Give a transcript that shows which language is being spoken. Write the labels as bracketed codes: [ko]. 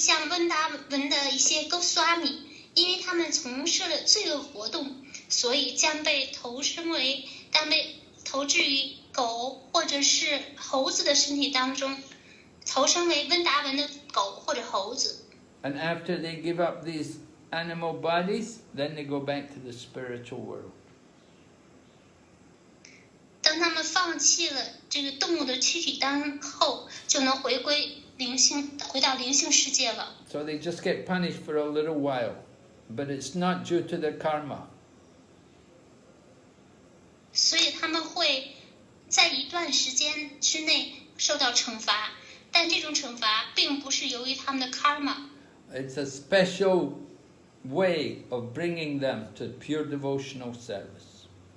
[zh] 温达文的一些 Goswami， 因为他们从事了罪恶活动，所以将被投身为将被投掷于狗或者是猴子的身体当中，投身为温达文的狗或者猴子。 [en] And after they give up these animal bodies, then they go back to the spiritual world. [zh] 当他们放弃了这个动物的躯体当后，就能回归灵性，回到灵性世界了。 [en] So they just get punished for a little while, but it's not due to their karma. [zh] 所以他们会在一段时间之内受到惩罚，但这种惩罚并不是由于他们的 karma。 [en] It's a special way of bringing them to pure devotional service.